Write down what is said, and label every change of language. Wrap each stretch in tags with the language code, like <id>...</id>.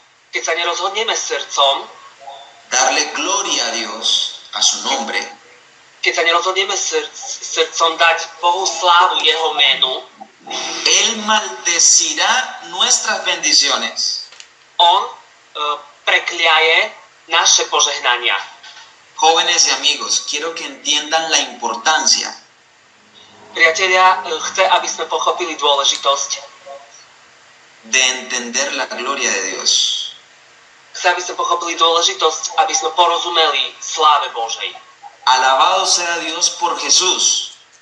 <sk>keď sa nerozhodneme srdcom,</sk> <es>darle gloria a Dios, a su nombre,</es> <sk>keď sa nerozhodneme srdcom dať Bohu slávu, jeho menu,</sk> <es>Él maldecirá nuestras bendiciones.</es> <sk>On prekliaje naše požehnania.</sk> <es>Jóvenes y amigos, quiero que entiendan la importancia.</es> <sk>Priatelia, chcem, aby sme pochopili dôležitosť</sk> <es>de entender la gloria de Dios.</es> <sk>Chcem, aby sme pochopili dôležitosť, aby sme porozumeli sláve Božej.</sk> <es>Alabado sea Dios por Jesús.</es>